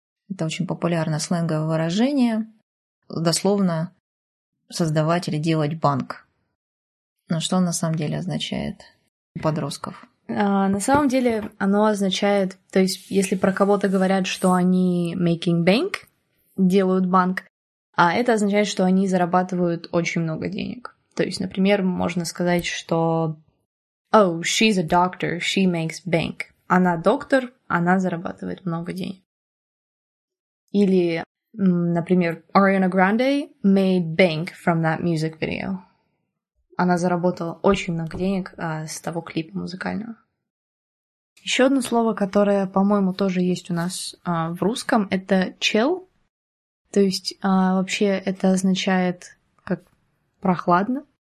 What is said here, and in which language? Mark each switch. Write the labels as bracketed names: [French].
[Russian] Это очень популярное сленговое выражение, дословно создавать или делать банк. Но что он на самом деле означает у подростков? На самом деле оно означает, то есть если про кого-то говорят, что они [English] making bank, [Russian] делают банк, а это означает, что они зарабатывают очень много денег. То есть, например, можно сказать, что [English] «Oh, she's a doctor, she makes bank». [Russian] Она доктор, она зарабатывает много денег. Или, например, [English] «Ariana Grande made bank from that music video». [Russian] Она заработала очень много денег с того клипа музыкального. Еще одно слово, которое, по-моему, тоже есть у нас в русском, это «chill». То есть, вообще, это означает как «прохладно».